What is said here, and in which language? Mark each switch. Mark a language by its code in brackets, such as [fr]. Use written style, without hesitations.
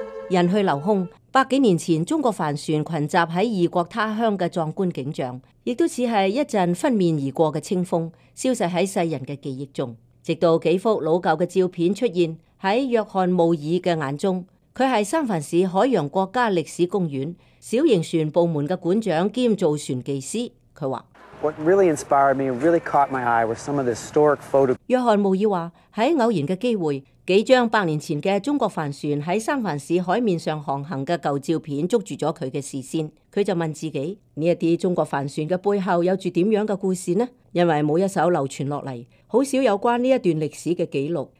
[zh] 人去楼空，百几年前中国帆船群集在异国他乡的壮观景象，亦都似是一阵分面而过的清风，消失在世人的记忆中。直到几幅老旧的照片出现在约翰·穆尔的眼中，他是三藩市海洋国家历史公园小型船部门的馆长兼造船技师。他说 [en] What really inspired me and really caught my eye were some of the historic photos. [zh] 约翰·穆尔说，在偶然的机会，几张百年前的中国帆船在三藩市海面上航行的旧照片捉住了他的视线。他就问自己，这些中国帆船的背后有着怎样的故事呢？因为没有一手流传下来，很少有关这一段历史的记录。